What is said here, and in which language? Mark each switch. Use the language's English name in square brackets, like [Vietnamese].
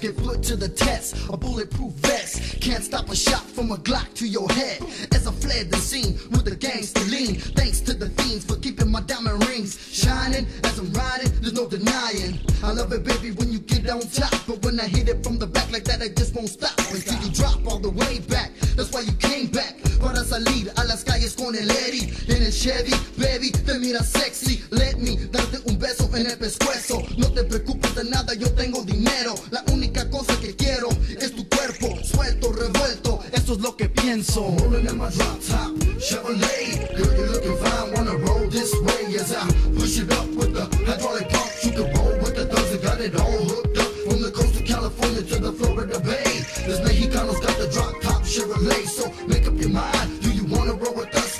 [English] Get put to the test, a bulletproof vest. Can't stop a shot from a Glock to your head. As I fled the scene with a gangster lean, thanks to the fiends for keeping my diamond rings shining. As I'm riding, there's no denying I love it, baby, when you get on top. But when I hit it from the back like that, I just won't stop until you drop all the way back. That's why you came back. [Spanish] Para salir a las calles con el Eddie en el Chevy, baby, te mira sexy. [English] Let me [Spanish] darte un beso en el pescuezo. No te preocupes de nada, yo tengo dinero. La única cosa que quiero es tu cuerpo. Suelto, revuelto, eso es lo que pienso. [English] I'm rolling in my drop top Chevrolet, girl, you're looking fine, wanna roll this way. As I push it up with the hydraulic pump, you can roll with the thugs. I got it all hooked up from the coast of California to the Florida Bay. This Mexicano's got the drop top Chevrolet, so make up your mind, do you wanna roll with us?